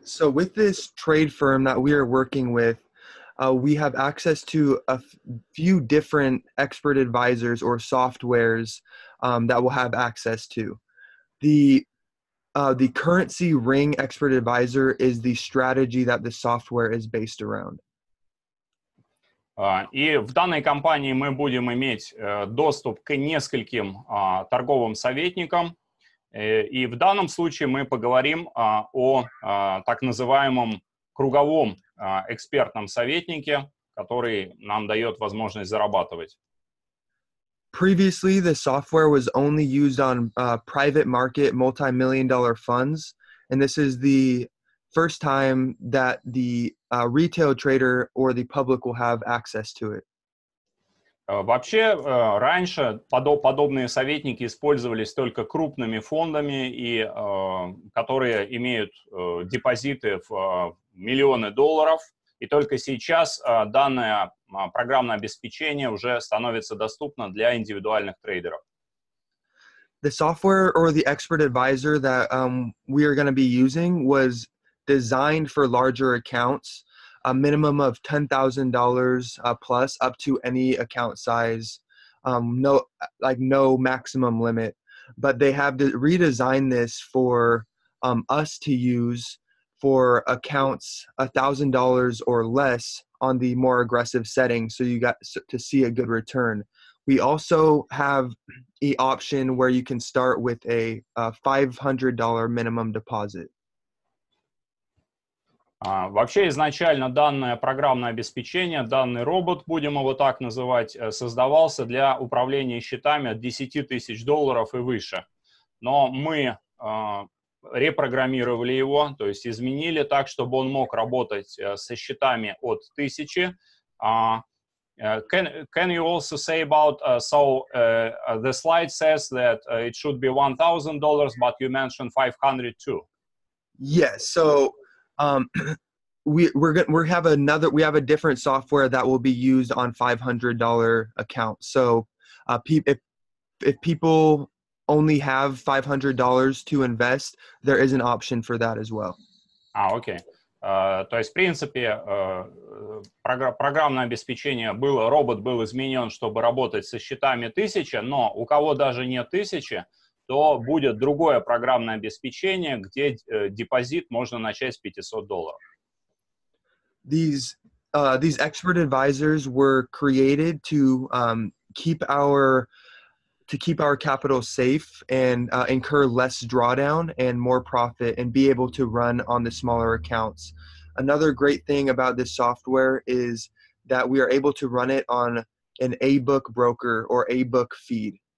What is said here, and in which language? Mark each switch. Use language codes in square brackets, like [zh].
[en] So with this trade firm that we are working with, we have access to a few different expert advisors or softwares that we'll have access to. The currency ring expert advisor is the strategy that the software is based around. [ru] И в данной компании мы будем иметь доступ к нескольким торговым советникам. И в данном случае мы поговорим о так называемом круговом экспертном советнике, который нам дает возможность зарабатывать. [en] Previously, the software was only used on private market multi-million dollar funds. And this is the first time that the retail trader or the public will have access to it. [ru] Вообще, раньше подобные советники использовались только крупными фондами, и которые имеют депозиты в миллионы долларов, и только сейчас данное программное обеспечение уже становится доступно для индивидуальных трейдеров. [en] The software or the expert advisor that we are going to be using was designed for larger accounts, a minimum of $10,000 plus up to any account size, no maximum limit. But they have redesigned this for us to use for accounts $1,000 or less on the more aggressive setting, so you got to see a good return. We also have the option where you can start with a $500 minimum deposit. [ru] Вообще, изначально данное программное обеспечение, данный робот, будем его так называть, создавался для управления счетами от 10 тысяч долларов и выше. Но мы репрограммировали его, то есть изменили так, чтобы он мог работать со счетами от 1000. [en] Can you also say about, the slide says that it should be $1,000, but you mentioned 500 too. Yes, so... we have a different software that will be used on $500 accounts. So, if people only have $500 to invest, there is an option for that as well. Okay. [ru] То есть, в принципе, программное обеспечение было, робот был изменен, чтобы работать со счетами 1000, но у кого даже нет 1000, то будет другое программное обеспечение, где депозит можно начать с $500. [en] These expert advisors were created to keep our capital safe and incur less drawdown and more profit and be able to run on the smaller accounts. Another great thing about this software is that we are able to run it on an A-book broker or A-book feed.